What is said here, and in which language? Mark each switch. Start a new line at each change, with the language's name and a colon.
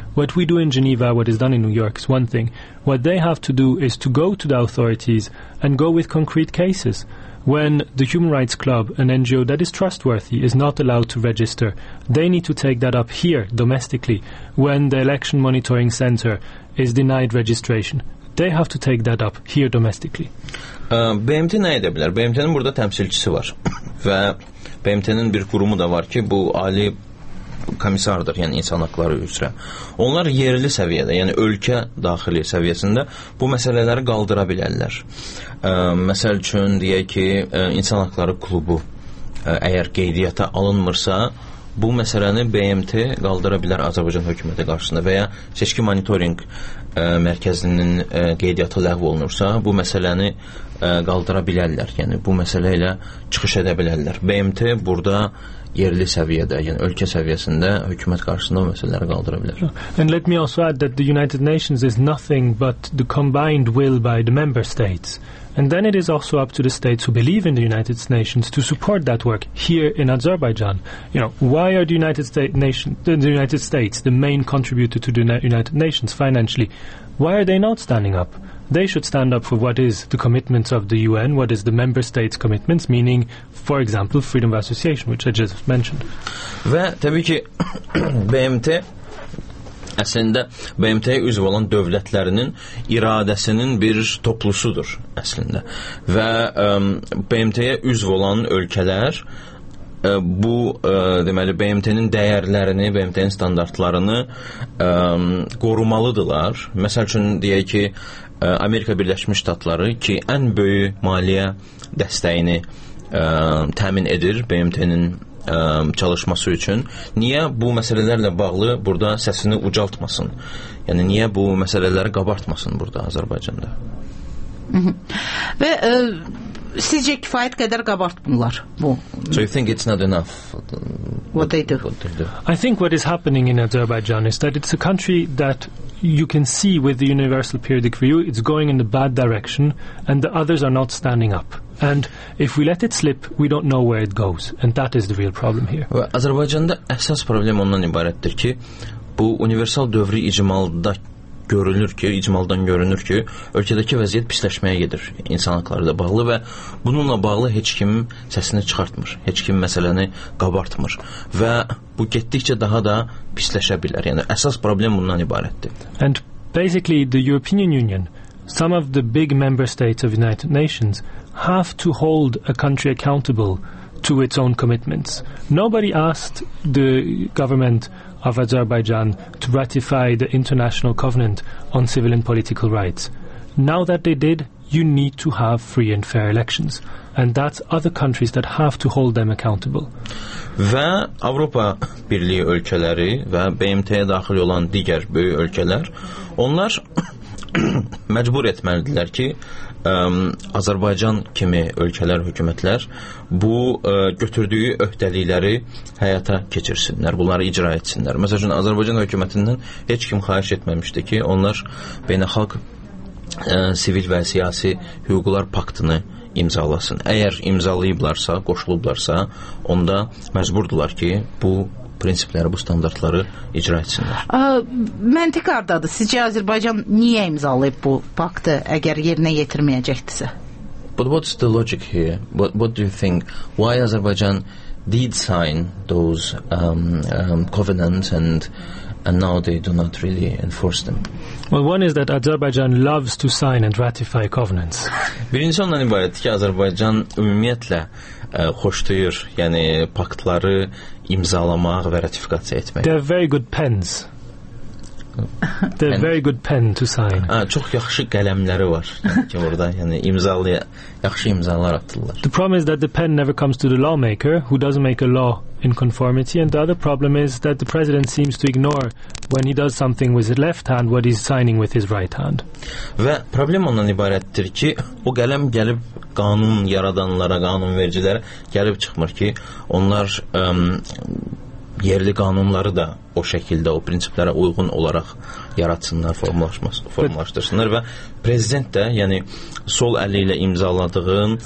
English: What we do in Geneva, what is done in New York is one thing. What they have to do is to go to the authorities and go with concrete cases. When the Human Rights Club, an NGO that is trustworthy, is not allowed to register, they need to take that up here, domestically. When the Election Monitoring Center is denied registration, they have to take that up here, domestically.
Azerbaijani: BMT nə edə bilər? BMT-nin burada təmsilçisi var. Və BMT-nin bir qurumu da var ki, bu Ali komissardır, yəni insan haqları üzrə. Onlar yerli səviyyədə, yəni ölkə daxili səviyyəsində bu məsələləri qaldıra bilərlər. Məsəl üçün, deyək ki, insan haqları klubu əgər qeydiyyata alınmırsa, bu məsələni BMT qaldıra bilər Azərbaycan hökuməti qarşısında və ya seçki monitoring mərkəzinin qeydiyyatı ləğv olunursa, bu məsələni qaldıra bilərlər. Yəni, bu məsələ ilə çıxış edə bilərlər. BMT burada yerli səviyyədə, yəni ölkə səviyyəsində hökumət qarşısında məsələləri qaldıra bilər.
English: And let me also add that the United Nations is nothing but the combined will by the member states. And then it is also up to the states who believe in the United Nations to support that work here in Azerbaijan. You know, why are the United States the main contributor to the United Nations financially? Why are they not standing up? They should stand up for what is the commitments of the UN, what is the member states' commitments, meaning, for example, freedom of association, which I just mentioned.
Azerbaijani: Və təbii ki, BMT, əslində, BMT-yə üzv olan dövlətlərinin iradəsinin bir toplusudur, əslində. Və BMT-yə üzv olan ölkələr bu deməli BMT-nin dəyərlərini, BMT-nin standartlarını qorumalıdırlar. Məsəl üçün deyək ki, Amerika Birləşmiş Ştatları ki, ən böyük maliyyə dəstəyini təmin edir BMT-nin çalışması üçün. Niyə bu məsələlərlə bağlı burada səsini ucaltmasın? Yəni, niyə bu məsələləri qabartmasın burada Azərbaycanda? Və sizcə kifayət qədər qabartmırlar bu?
English: So you think it's not enough? What they do? What they do? I think what is happening in Azerbaijan is that it's a country that you can see with the universal periodic review, it's going in the bad direction and the others are not standing up. And if we let it slip, we don't know where it goes. And that is the real problem here.
Azerbaijani: Və Azərbaycanda əsas problem ondan ibarətdir ki, bu universal dövrü icmalda görünür ki, icmaldan görünür ki, ölkədəki vəziyyət pisləşməyə gedir insan haqları ilə bağlı və bununla bağlı heç kim səsini çıxartmır, heç kim məsələni qabartmır və bu getdikcə daha da pisləşə bilər. Yəni, əsas problem bundan ibarətdir.
English: And basically, the European Union, some of the big member states of United Nations have to hold a country accountable to its own commitments. Nobody asked the government of Azerbaijan to ratify the International Covenant on Civil and Political Rights. Now that they did, you need to have free and fair elections. And that's other countries that have to hold them accountable.
Azerbaijani: Və Avropa Birliyi ölkələri və BMT-yə daxil olan digər böyük ölkələr, onlar məcbur etməlidirlər ki, Azərbaycan kimi ölkələr, hökumətlər bu götürdüyü öhdəlikləri həyata keçirsinlər, bunları icra etsinlər. Məsəl üçün, Azərbaycan hökumətindən heç kim xahiş etməmişdi ki, onlar beynəlxalq sivil və siyasi hüquqlar paktını imzalasın. Əgər imzalayıblarsa, qoşulublarsa, onda məcburdurlar ki, bu prinsipləri, bu standartları icra etsinlər. Məntiq ardadır. Sizcə Azərbaycan niyə imzalayıb bu paktı, əgər yerinə yetirməyəcəkdirsə?
English: But what's the logic here? What do you think? Why Azerbaijan did sign those covenants and now they do not really enforce them? Well, one is that Azerbaijan loves to sign and ratify covenants.
Azerbaijani: Birincisi ondan ibarət ki, Azərbaycan ümumiyyətlə xoşlayır, yəni paktları imzalamaq və ratifikasiya etmək.
English: They're very good pens. They're very good pen to sign.
Azerbaijani: Çox yaxşı qələmləri var ki, orada, yəni imzalaya yaxşı imzalar atırlar.
English: The problem is that the pen never comes to the lawmaker who doesn't make a law in conformity, and the other problem is that the president seems to ignore when he does something with his left hand what he's signing with his right hand.
Azerbaijani: Və problem ondan ibarətdir ki, o qələm gəlib qanun yaradanlara, qanun vericilərə gəlib çıxmır ki, onlar yerli qanunları da o şəkildə, o prinsiplərə uyğun olaraq yaratsınlar, formalaşdırsınlar və prezident də, yəni sol əli ilə imzaladığın